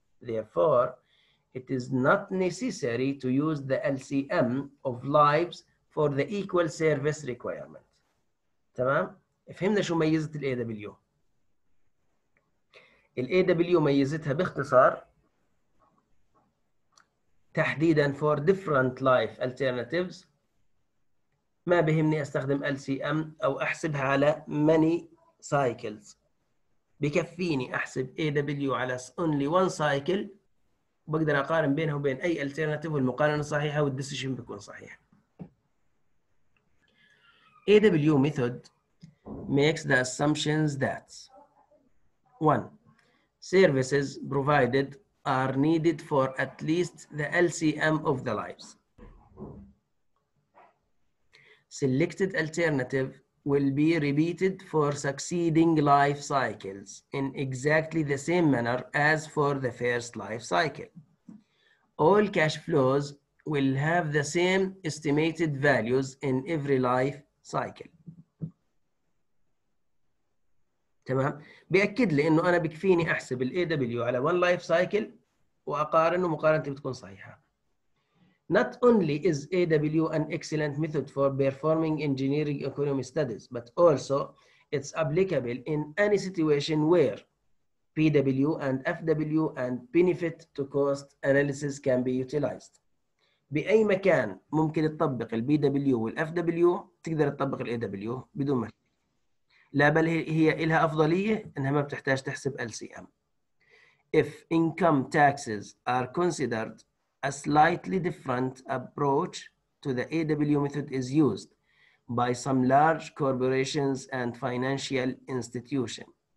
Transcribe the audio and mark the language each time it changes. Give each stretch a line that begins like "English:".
English: Therefore, it is not necessary to use the LCM of lives for the equal service requirement.
Arabic: تمام؟ فهمنا شو ميزة الـ AW. الـ AW ميزتها باختصار تحديداً
English: for different life alternatives.
Arabic: ما بهمني أستخدم LCM أو أحسبها على
English: many cycles.
Arabic: بكفيني أحسب AW على
English: only one cycle
Arabic: وبقدر أقارن بينه وبين أي alternative والمقارنة صحيحة والdecision بيكون صحيح.
English: AW method makes the assumptions that one, services provided are needed for at least the LCM of the lives. Selected alternative will be repeated for succeeding life cycles in exactly the same manner as for the first life cycle. All cash flows will have the same estimated values in every life cycle.
Arabic: تمام؟ بيأكد لي إنه أنا بكفيني أحسب الـ AW على
English: one life cycle
Arabic: وأقارن ومقارنتي بتكون صحيحة.
English: Not only is AW an excellent method for performing engineering economy studies, but also it's applicable in any situation where PW and FW and benefit to cost analysis can be utilized.
Arabic: بأي مكان ممكن تطبق الـ PW والـ FW تقدر تطبق الـ AW بدون مشكلة. لا بل هي إلها أفضلية إنها ما بتحتاج تحسب LCM.
English: If income taxes are considered, a slightly different approach to the AW method is used by some large corporations and financial institutions.